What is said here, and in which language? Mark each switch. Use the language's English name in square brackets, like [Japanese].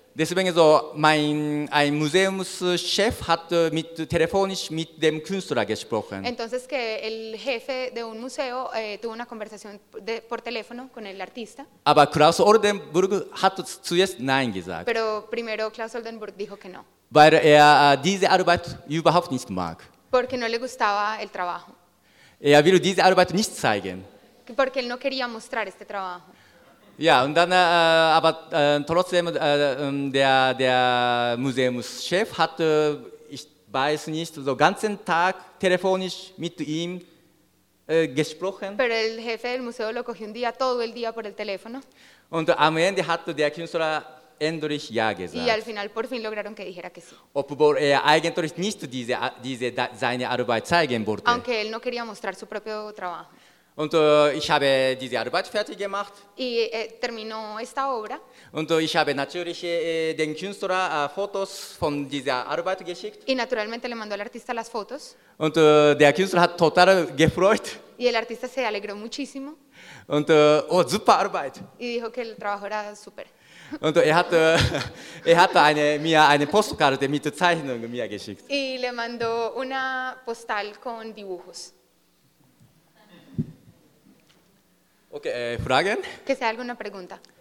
[German] Deswegen so, ein Museumschef hat telefonisch mit dem Künstler gesprochen. [Spanish] Entonces que el jefe de un museo tuvo una conversación por teléfono con el artista. [German] Aber Klaus Oldenburg hat zuerst nein gesagt. [Spanish] Pero primero Klaus Oldenburg dijo que no. [German] Weil er diese Arbeit überhaupt nicht mag. [Spanish] Porque no le gustaba el trabajo. [German] Er will diese Arbeit nicht zeigen. [Spanish] Porque él no quería mostrar este trabajo. [German] Ja, und dann aber trotzdem der Museumschef hat ich weiß nicht so ganzen Tag telefonisch mit ihm gesprochen. [Spanish] Pero el jefe del museo lo cogió un día todo el día por el teléfono. [German] Und am Ende hat der Künstler endlich ja gesagt. [Spanish] Y al final por fin lograron que dijera que sí. [German] Obwohl er eigentlich nicht seine Arbeit zeigen wollte. [Spanish] Aunque él no quería mostrar su propio trabajo. [German] Und ich habe diese Arbeit fertig gemacht. [Spanish] Y terminó esta obra. [German] Und ich habe natürlich den Künstler Fotos von dieser Arbeit geschickt. [Spanish] Y naturalmente le mandó al artista las fotos. [German] Und der Künstler hat total gefreut. [Spanish] Y el artista se alegró muchísimo. [German] Und super Arbeit. [Spanish] Y dijo que el trabajo era super. [German] Und er hat mir eine Postkarte mit Zeichnungen mir geschickt. [Spanish] Y le mandó una postal con dibujos. [German] Okay, Fragen? [Spanish] Que sea alguna pregunta.